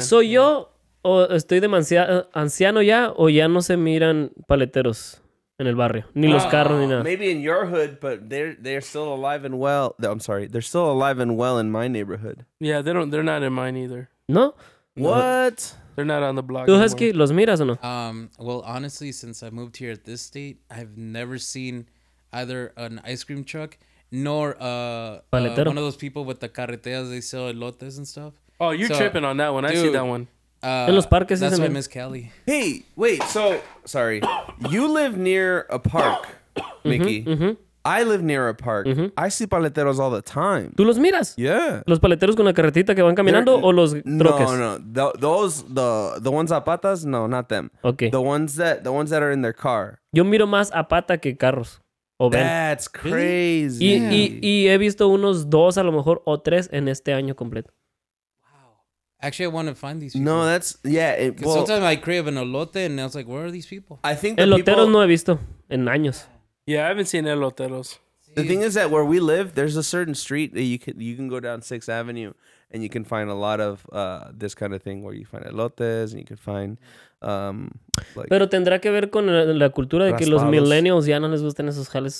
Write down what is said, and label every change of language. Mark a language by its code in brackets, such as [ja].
[es] So yo, o estoy demasiado anciano ya, o ya no se miran paleteros en el barrio, ni los carros ni nada. [en] Maybe in your hood, but they're still alive and well. I'm sorry, they're still alive and well in my neighborhood. Yeah, they don't. They're not in mine either. No. What? They're not on the block. [es] ¿Tú, Husky, los miras o no? [en] Well, honestly, since I moved here at this state, I've never seen either an ice cream truck nor one of those people with the carreteras. They sell elotes and stuff. Oh, you're so tripping on that one. Dude, I see that one. [es] En los parques. [en] That's why I miss Cali. Hey, wait. So, sorry. You live near a park, Mickey. I live near a park. I see paleteros all the time. [es] ¿Tú los miras? [en] Yeah. [es] ¿Los paleteros con la carretita que van caminando o los troques? [en] No, no. The ones [es] a patas, [en] no, not them. Okay. The ones that are in their car. [es] Yo miro más a pata que carros. O ven. [en] That's crazy. [es] Y, y he visto unos dos a lo mejor o tres en este año completo. [en] Actually, I want to find these people. No, that's... Yeah, it, well, sometimes I crave an elote, and I was like, where are these people? I think the eloteros people... [es] no he visto en años. [en] Yeah, I haven't seen eloteros. The thing is that where we live, there's a certain street that you can go down 6th Avenue, and you can find a lot of this kind of thing, where you find elotes, and you can find... [es] like, pero tendrá que ver con la cultura de que raspados. Los millennials ya no les gustan esos jales.